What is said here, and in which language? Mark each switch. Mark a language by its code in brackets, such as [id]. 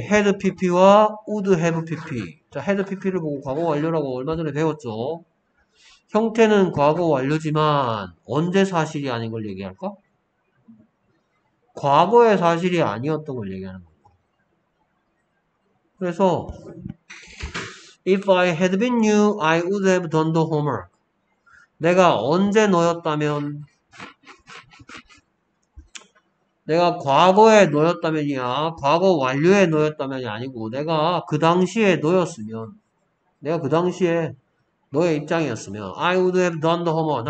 [ko] had pp와 would have pp. 자, had pp를 보고 과거 완료라고 얼마 전에 배웠죠. 형태는 과거 완료지만 언제 사실이 아닌 걸 얘기할까? 과거의 사실이 아니었던 걸 얘기하는 거고. 그래서 [en] if I had been you, I would have done the homework. [ko] 내가 언제 너였다면, 내가 과거에 너였다면이야. 과거 완료에 너였다면이 아니고, 내가 그 당시에 너였으면, 내가 그 당시에 너의 입장이었으면, [en] I would have done the homework.